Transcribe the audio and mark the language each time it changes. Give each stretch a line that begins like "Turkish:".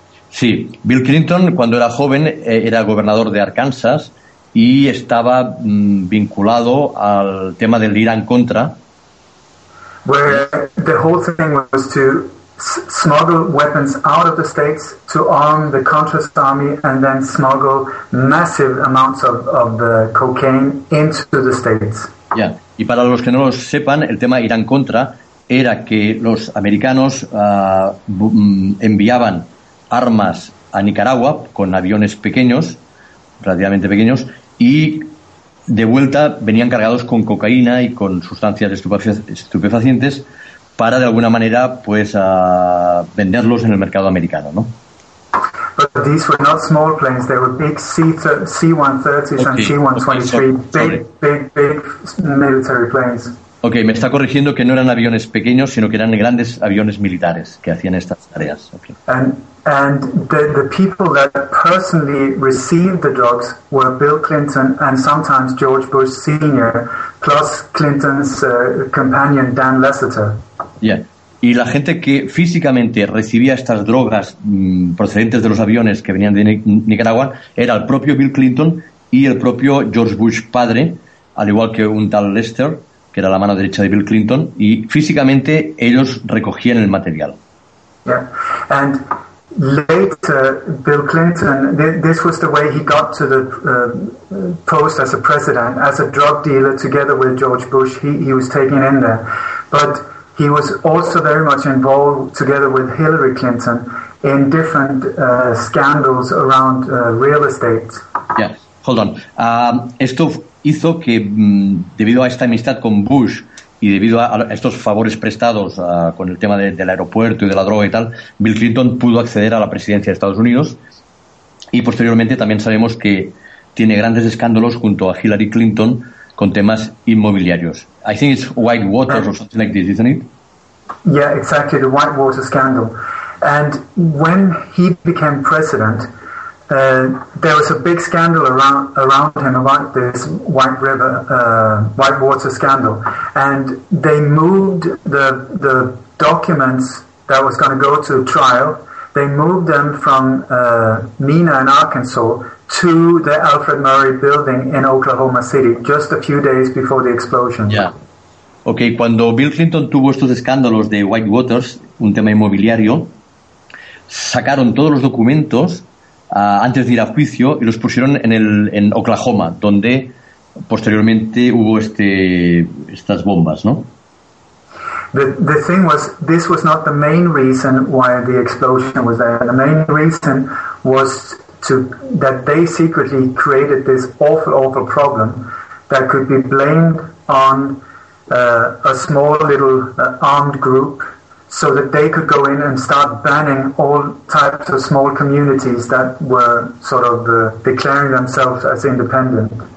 Spanish: Sí, Bill Clinton cuando era joven era gobernador de Arkansas y estaba vinculado al tema del Irán-Contra.
English: Where the whole thing was to smuggle weapons out of the states to arm the Contras army and then smuggle massive amounts of the cocaine into the states. Yeah.
Spanish: Y para los que no lo sepan, el tema Irán Contra era que los americanos enviaban armas a Nicaragua con aviones pequeños, relativamente pequeños, y de vuelta venían cargados con cocaína y con sustancias estupefacientes para de alguna manera pues venderlos en el mercado americano, ¿no?
English: But these were not small planes, they were big C-130s and C-123, big military planes.
Spanish: Ok, me está corrigiendo que no eran aviones pequeños, sino que eran grandes aviones militares que hacían estas tareas.
English: Okay. And the people that personally received the dogs were Bill Clinton and sometimes George Bush Sr., plus Clinton's companion Dan Lasseter. Yeah.
Spanish: Y la gente que físicamente recibía estas drogas procedentes de los aviones que venían de Nicaragua era el propio Bill Clinton y el propio George Bush padre, al igual que un tal Lester, que era la mano derecha de Bill Clinton, y físicamente ellos recogían el material.
English: Yeah. And later, Bill Clinton, this was the way he got to the post as a president, as a drug dealer together with George Bush, he was taken in there. But he was also very much involved together with Hillary Clinton in different scandals around real estate. Yeah, hold on.
Spanish: Esto hizo que, debido a esta amistad con Bush y debido a estos favores prestados con el tema del aeropuerto y de la droga y tal, Bill Clinton pudo acceder a la presidencia de Estados Unidos, y posteriormente también sabemos que tiene grandes escándalos junto a Hillary Clinton con temas inmobiliarios.
English: I think it's Whitewater or something like this, isn't it? Yeah, exactly, the Whitewater scandal. And when he became president, there was a big scandal around him about this Whitewater scandal, and they moved the documents that was going to go to trial. They moved them from Mena in Arkansas to the Alfred Murray Building in Oklahoma City just a few days before the explosion. Yeah. Okay.
Spanish: Cuando Bill Clinton tuvo estos escándalos de Whitewater, un tema inmobiliario, sacaron todos los documentos antes de ir a juicio y los pusieron en Oklahoma, donde posteriormente hubo estas bombas, ¿no?
English: The thing was, this was not the main reason why the explosion was there. The main reason was that they secretly created this awful, awful problem that could be blamed on a small little armed group, so that they could go in and start banning all types of small communities that were sort of declaring themselves as independent.